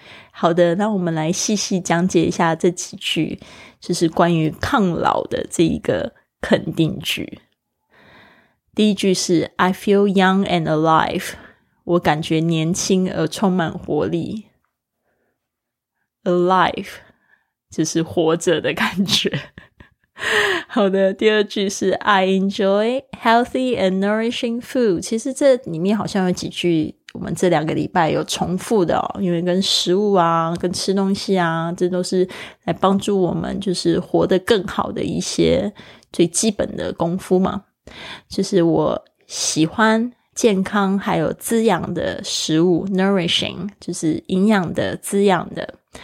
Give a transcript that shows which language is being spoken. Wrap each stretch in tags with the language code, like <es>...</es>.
<zh>好的，那我们来细细讲解一下这几句，就是关于抗老的这一个肯定句。第一句是</zh> <en>I feel young and alive，</en> <zh>我感觉年轻而充满活力。 Alive 就是活着的感觉。好的，第二句是</zh> <en>I enjoy healthy and nourishing food。</en> <zh>其实这里面好像有几句我们这两个礼拜有重复的哦，因为跟食物啊，跟吃东西啊，这都是来帮助我们就是活得更好的一些最基本的功夫嘛。就是我喜欢健康还有滋养的食物， nourishing 就是营养的，滋养的。</zh>